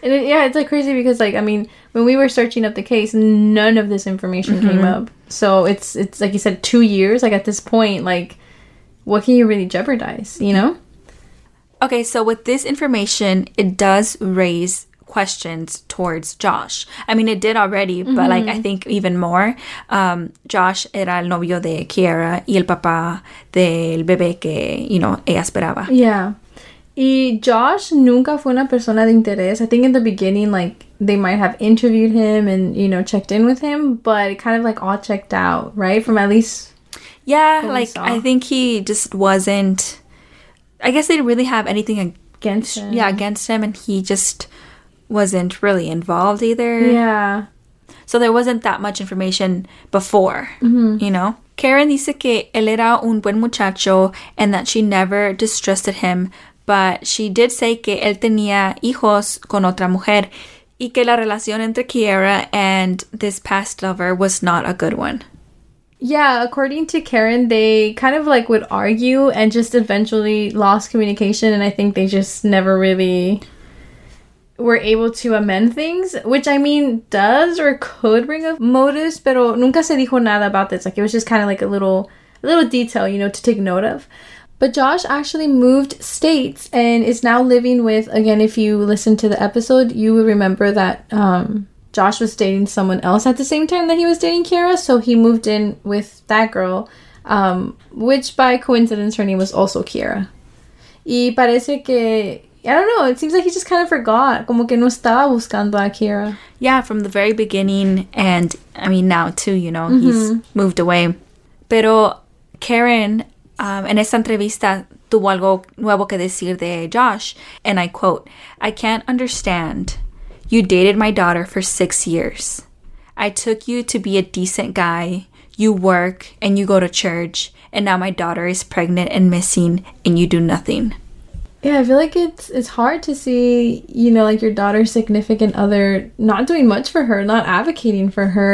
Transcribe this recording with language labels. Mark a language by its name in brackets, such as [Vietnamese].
[English] And it's like crazy because, like, I mean, when we were searching up the case, none of this information mm-hmm. came up. So it's like you said, 2 years. Like, at this point, like, what can you really jeopardize, you know? Okay, so with this information, it does raise questions towards Josh. I mean, it did already, mm-hmm. but, like, I think even more. [Spanish] Josh era el novio de Kiara y el papá del bebé que, you know, ella esperaba. [English] Yeah. [Spanish] Y Josh nunca fue una persona de interés. [English] I think in the beginning, like, they might have interviewed him and, you know, checked in with him. But it kind of, like, all checked out, right? From at least... Yeah, like, I think he just wasn't... I guess they didn't really have anything against him. Yeah, against him. And he just wasn't really involved either. Yeah. So there wasn't that much information before, mm-hmm. you know? [Spanish] Karen dice que él era un buen muchacho [English] and that she never distrusted him. But she did say [Spanish] que él tenía hijos con otra mujer y que la relación entre Kiara [English] and this past lover was not a good one. Yeah, according to Karen, they kind of like would argue and just eventually lost communication. And I think they just never really were able to amend things, which I mean, does or could bring up motives, [Spanish] pero nunca se dijo nada [English] about this. Like, it was just kind of like a little detail, you know, to take note of. But Josh actually moved states and is now living with, again, if you listen to the episode, you will remember that Josh was dating someone else at the same time that he was dating Kiara. So he moved in with that girl, which by coincidence, her name was also Kiara. [Spanish] Y parece que, [English] I don't know, it seems like he just kind of forgot. [Spanish] Como que no estaba buscando a Kiara. [English] Yeah, from the very beginning. And I mean, now too, you know, mm-hmm. he's moved away. [Spanish] Pero Karen... en esta entrevista tuvo algo nuevo que decir de Josh. [English] And I quote, "I can't understand. You dated my daughter for 6 years. I took you to be a decent guy. You work and you go to church. And now my daughter is pregnant and missing and you do nothing." Yeah, I feel like it's hard to see, you know, like your daughter's significant other not doing much for her, not advocating for her.